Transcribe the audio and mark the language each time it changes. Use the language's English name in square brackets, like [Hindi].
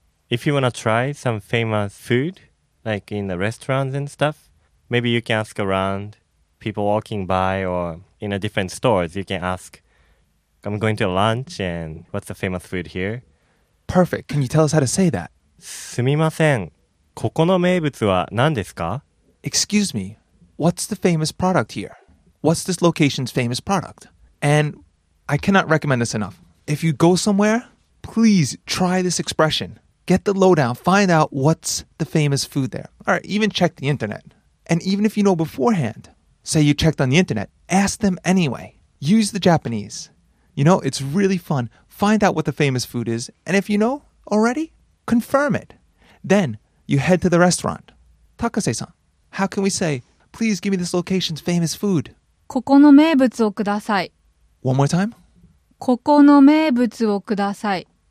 [English] If you want to try some famous food, like in the restaurants and stuff, maybe you can ask around people walking by or in a different stores. You can ask, I'm going to lunch and what's the famous food here? Perfect. Can you tell us how to say that? [Japanese] すみません。ここの名物は何ですか? [English] Excuse me. What's the famous product here? What's this location's famous product? And I cannot recommend this enough. If you go somewhere, please try this expression. Get the lowdown. Find out what's the famous food there. All right, even check the internet. And even if you know beforehand, say you checked on the internet, ask them anyway. Use the Japanese. You know, it's really fun. Find out what the famous food is. And if you know already, confirm it. Then you head to the restaurant. Takase-san, how can we say, please give me this location's famous food? [Japanese] ここの名物をください。 [English] One more time. [Japanese] ここの名物をください。